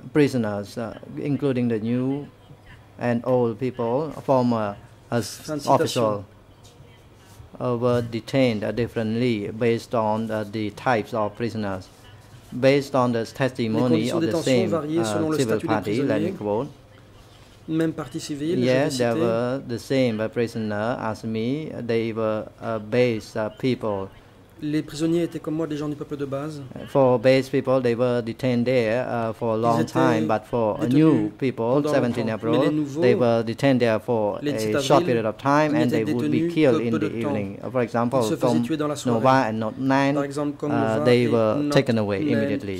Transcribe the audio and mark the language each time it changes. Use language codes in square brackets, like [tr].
[en] Prisoners, including the new and old people, former officials, were detained differently based on the types of prisoners. Based on the testimony of the same civil party, let me quote, [fr] même partie civile, [en] yes, they were the same prisoner as me. They were base people. [fr] Les prisonniers étaient comme moi des gens du peuple de base. [en] For base people, they were detained there for a long time, but for new people, 17 April, they were detained there for a short period of time, and they would be killed in the evening. For example, Tom Nova and Note 9, they were taken away immediately.